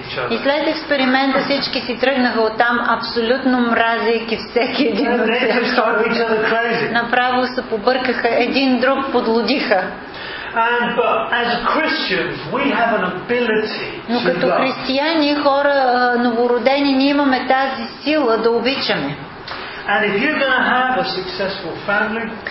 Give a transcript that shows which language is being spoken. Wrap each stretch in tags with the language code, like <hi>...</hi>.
<bg>И след експеримента всички си тръгнаха оттам, абсолютно мразейки всеки един от тях. Направо се побъркаха, един друг подлудиха.</bg> <en>And, but as Christians, we have an ability to love.</en> <bg>Но като християни, хора новородени, ние имаме тази сила да обичаме.</bg> <en>And if you're going to have a successful family,</en>